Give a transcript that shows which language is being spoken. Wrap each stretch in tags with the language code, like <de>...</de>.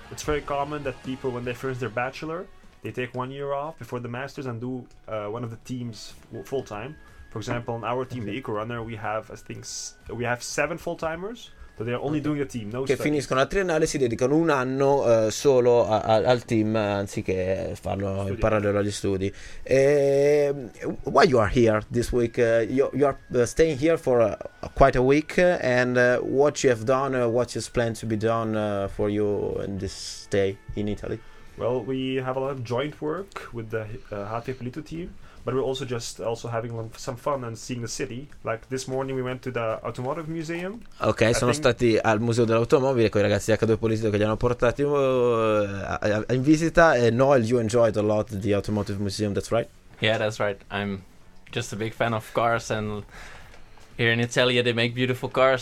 <en>It's very common that people, when they finish their bachelor, they take 1 year off before the masters and do one of the teams full time. For example, on our team, the Eco Runner, we have 7 full timers. So they are only doing the team, no</en> <it>che</it> <en>studies.</en> <it>Finiscono la triennale e si dedicano un anno solo al team anziché farlo in parallelo agli studi.</it> <en>Why you are here this week? You are staying here for quite a week, and what you have done, what is planned to be done for you in this stay in Italy? Well, we have a lot of joint work with the HTF Lito team, but we're also just also having some fun and seeing the city. Like this morning we went to the Automotive Museum.</en> <it>Ok, stati al Museo dell'Automobile con i ragazzi di H2 Politico che li hanno portati in visita.</it> <en>Noel, you enjoyed a lot the Automotive Museum, that's right? Yeah, that's right. I'm just a big fan of cars, and here in Italy they make beautiful cars.</en>